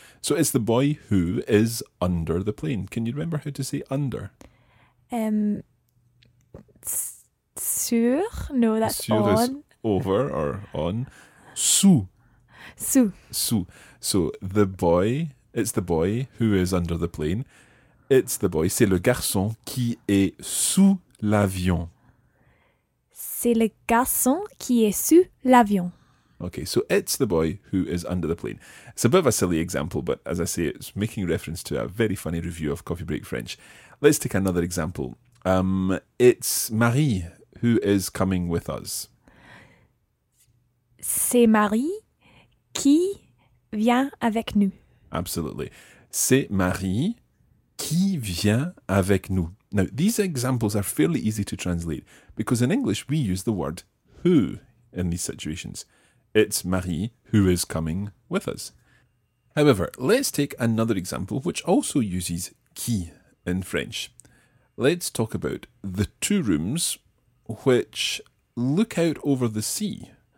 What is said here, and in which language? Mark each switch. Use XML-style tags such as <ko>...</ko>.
<en>So it's the boy who is under the plane. Can you remember how to say under? Sur? No, that's</en> <fr>sur</fr> <en>on. Is over or on. Sous.</en> <fr>Sous.</fr> <en>Sous. So the boy It's the boy who is under the plane. It's the boy.</en> <fr>C'est le garçon qui est sous l'avion. C'est le garçon qui est sous l'avion.</fr> <en>Okay, so it's the boy who is under the plane. It's a bit of a silly example, but as I say, it's making reference to a very funny review of Coffee Break French. Let's take another example. It's Marie who is coming with us.</en> <fr>C'est Marie qui vient avec nous.</fr> <en>Absolutely.</en> <fr>C'est Marie qui vient avec nous.</fr> <en>Now, these examples are fairly easy to translate because in English we use the word who in these situations. It's Marie who is coming with us. However, let's take another example which also uses qui in French. Let's talk about the two rooms which look out over the sea.</en>